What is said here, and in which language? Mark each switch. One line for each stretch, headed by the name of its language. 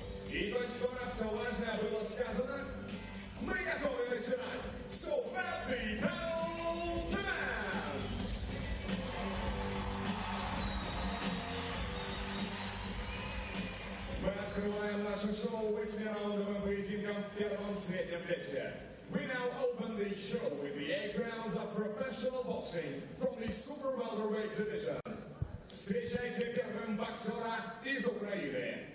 Russian: И хоть скоро все важное было сказано, мы готовы начинать суперный Белтенс! Мы открываем наше шоу восьмираундовым поединком в первом среднем весе.
English: We now open the show with the 8 rounds of professional boxing from the super welterweight division.
Russian: Встречайте первым боксера из Украины.